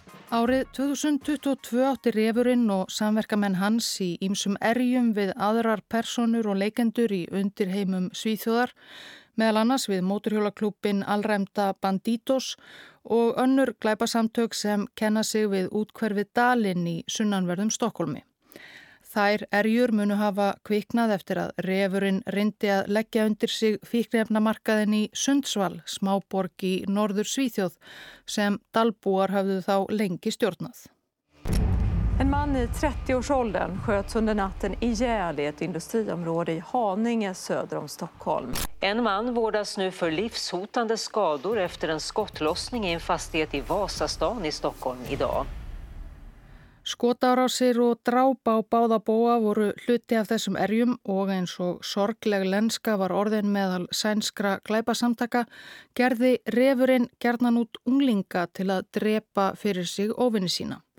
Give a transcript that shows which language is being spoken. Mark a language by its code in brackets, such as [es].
[is] Árið 2022 átti refurinn og samverkamenn hans í ýmsum erjum við aðrar persónur og leikendur í undirheimum Svíþjóðar, meðal annars við móturhjólaklúbin Alræmda Bandítos og önnur glæpasamtök sem kenna sig við útkverfi Dalinn í sunnanverðum Stokkólmi. Þær erjur munu hafa kviknað eftir að refurinn reyndi að leggja undir sig fíkniefnamarkaðin í Sundsvall, smáborg í norður Svíþjóð, sem dalbúar hafðu þá lengi stjórnað. [sv] En man í 30-årsåldern sköts under natten ihjäl i ett industriområde i Haninge söder om Stockholm. En man vårdas nu för livshotande skador efter en skottlossning i en fastighet i Vasastan i Stockholm idag. [is] Skotárásir og dráp á báða bóa voru hluti af þessum erjum og eins og sorgleg lenska var orðin meðal sænskra glæpasamtaka gerði refurinn gerðan út unglinga til að drepa fyrir sig óvini sína.